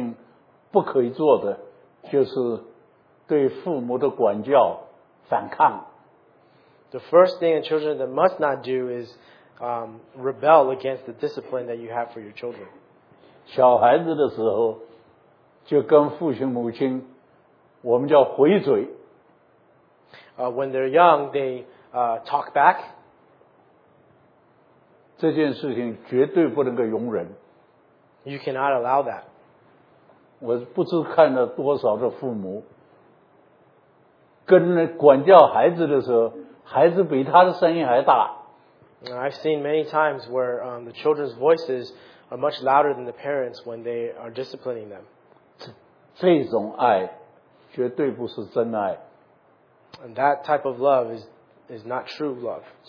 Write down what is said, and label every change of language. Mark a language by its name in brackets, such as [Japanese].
[Chinese] 儿女第一件事情不可以做的, 就是对父母的管教反抗。 [English] The first thing a children that must not do is rebel against the discipline that you have for your children. [Chinese] 小孩子的时候, 就跟父亲母亲, 我们叫回嘴。 [English] When they're young, they talk back. [Chinese] 这件事情绝对不能够容忍。 [English] You cannot allow that. [Chinese] 我不知看了多少的父母, 跟管教孩子的时候, 孩子比他的声音还大。 [English] I've seen many times where the children's voices are much louder than the parents when they are disciplining them. [Chinese] 这种爱绝对不是真爱。 [English] And that type of love is not true love.